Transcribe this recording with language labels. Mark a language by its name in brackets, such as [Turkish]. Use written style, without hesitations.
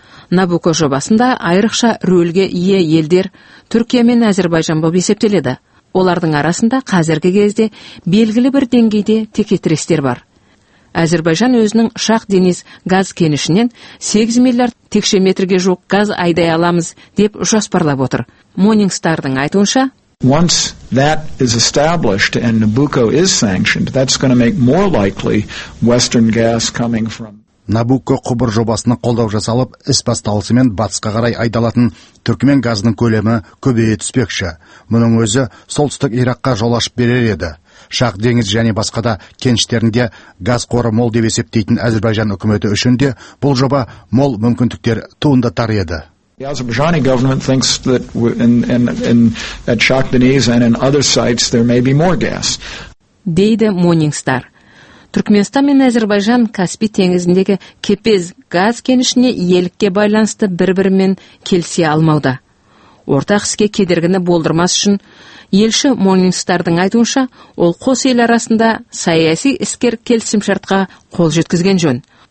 [Kazakh] Набуко жобасында айрықша рөлге ие елдер Түркия мен Әзербайжан болып есептеледі. Олардың арасында қазіргі кезде белгілі бір деңгейде текетірестер бар. Әзербайжан өзінің Шах Дениз газ кенішінен 8 миллиард текше метрге жуық газ айдай аламыз деп жоспарлап отыр. Монингстардың айтуынша, [English] Once that is established and Nabucco is sanctioned, that's going to make more likely Western gas coming from [Kazakh] Nabucco құбыр жобасына қолдау жасалып, іс басталысымен батысқа қарай айдалатын түркмен газының көлемі көбейе түспекші. Мұның өзі солтүстік Иракқа жол ашып берер еді. Шах деңіз және басқа да кеніштерінде газ қоры мол деп есептейтін Әзербайжан үкіметі үшін де бұл жоба мол мүмкіндіктер туындатар еді. [English] The Azerbaijani government thinks that in at Shah Deniz and in other sites there may be more gas. [Kazakh] Дейді Монингстар. Түркменстан мен Әзербайжан Каспий теңізіндегі кепез газ кенішіне иелікке байланысты бір-бірімен келісе алмауда. Ортақ іске кедергіні болдырмас үшін елші Монингстардың айтуынша, ол қос ел арасында саяси іскер келісімшартқа қол жеткізген жөн.